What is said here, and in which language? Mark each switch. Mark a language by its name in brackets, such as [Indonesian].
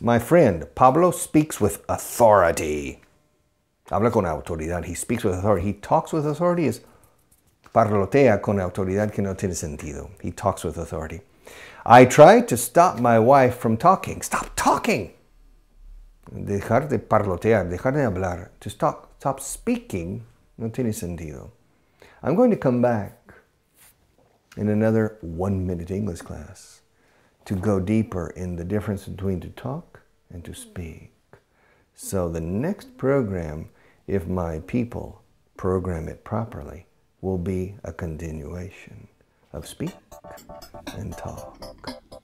[English] My friend, Pablo, speaks with authority. [Spanish] Habla con autoridad. [English] He speaks with authority. He talks with authority [Spanish] is parlotea con autoridad que no tiene sentido. [English] He talks with authority. I try to stop my wife from talking. Stop talking! [Spanish] Dejar de parlotear, dejar de hablar. [English] To stop speaking [Spanish] no tiene sentido. [English] I'm going to come back in another 1 minute English class to go deeper in the difference between to talk and to speak. So the next program, if my people program it properly, will be a continuation of speak and talk.